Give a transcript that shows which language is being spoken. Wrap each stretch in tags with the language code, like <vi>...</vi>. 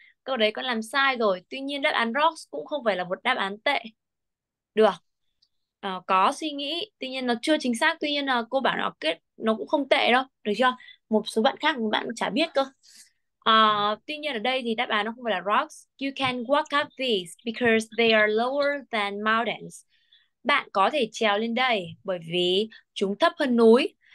<vi>Câu đấy con làm sai rồi. Tuy nhiên đáp án rocks cũng không phải là một đáp án tệ. Được. Có suy nghĩ, tuy nhiên nó chưa chính xác. Tuy nhiên là cô bảo nó kết nó cũng không tệ đâu, được chưa? Một số bạn khác bạn cũng chả biết cơ. Tuy nhiên ở đây thì đáp án nó không phải là rocks.</vi> <en>You can walk up these because they are lower than mountains.</en> <vi>Bạn có thể trèo lên đây bởi vì chúng thấp hơn núi.</vi>